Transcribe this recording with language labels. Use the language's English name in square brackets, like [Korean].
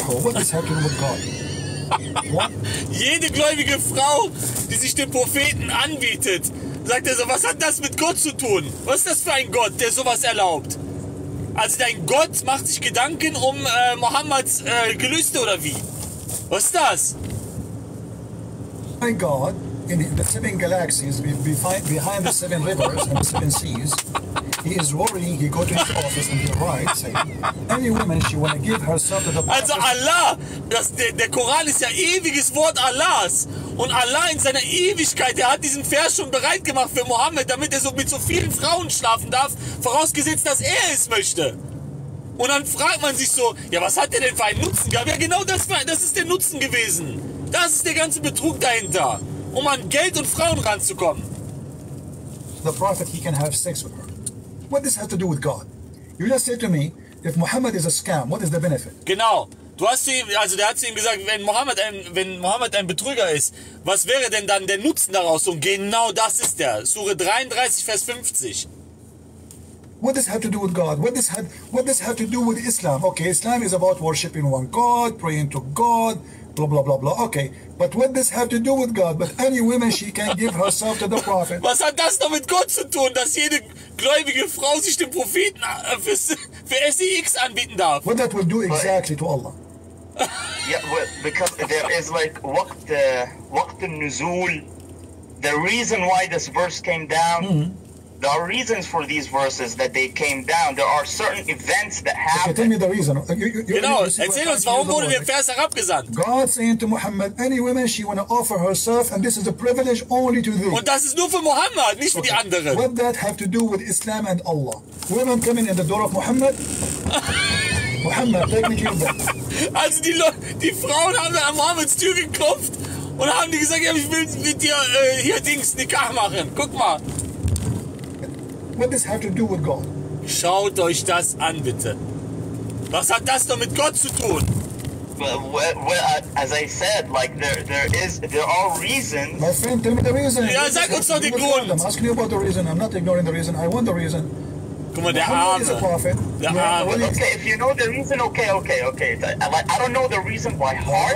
[English] What is happening with God? [German] Jede gläubige Frau, die sich dem Propheten anbietet, sagt er so, was hat das mit Gott zu tun? Was ist das für ein Gott, der sowas erlaubt? Also dein Gott macht sich Gedanken um Mohammeds Gelüste oder wie? Was ist das? [English] My God, in the seven galaxies behind the seven rivers and the seven seas, he is roaring, he goes to his office and he writes, any woman she want to give herself to the prophet. [German] Also Allah, der Koran ist ja ewiges Wort Allahs. Und Allah in seiner Ewigkeit, der hat diesen Vers schon bereit gemacht für Mohammed, damit er so mit so vielen Frauen schlafen darf, vorausgesetzt, dass er es möchte. Und dann fragt man sich so, ja, was hat der denn für einen Nutzen gehabt? Ja, genau das ist der Nutzen gewesen. Das ist der ganze Betrug dahinter, um an Geld und Frauen ranzukommen. [English] The prophet, he can have sex with her. What does this have to do with God? You just said to me, if Mohammed is a scam, what is the benefit? [German] Genau. Du hast ihm, also der hat zu ihm gesagt, wenn Mohammed ein Betrüger ist, was wäre denn dann der Nutzen daraus? Und genau das ist der. Sure 33, Vers 50. [English] What does have to do with God? What does have to do with Islam? Okay, Islam is about worshiping one God, praying to God, blah, blah, blah, blah. Okay, but what does have to do with God? But any woman, she can give herself to the prophet. [German] Was hat das noch mit Gott zu tun, dass jede gläubige Frau sich dem Propheten für SEX anbieten darf? [English] What that will do exactly to Allah? Yeah, well, because there is like waqt al-nuzul, the reason why this verse came down, there are reasons for these verses that they came down. There are certain events that happened. Okay, tell me the reason. Erzähl [German] uns, warum wurde der Vers herabgesandt? [English] God saying to Muhammad, any woman she want to offer herself, and this is a privilege only to thee. [German] Und das ist nur für Muhammad, nicht für die anderen. [English] What that have to do with Islam and Allah? Women coming in the door of Muhammad? Muhammad, take me to your bed. [German] Also die Frauen haben an Mohammeds Tür geklopft und haben die gesagt, ja, ich will mit dir hier Dings Nikah machen. Guck mal. [English] What does have to do with God? [German] Schaut euch das an, bitte. Was hat das noch mit Gott zu tun? [English] Well, as I said, like there are reasons. My friend, tell me the reason. [German] Ja, sag uns doch den Grund. [English] I'm asking you about the reason. I'm not ignoring the reason. I want the reason. [German] Guck mal, der Arme. [English] Is a prophet. Der Arme. Yeah, well, okay, if you know the reason, okay. I don't know the reason by heart.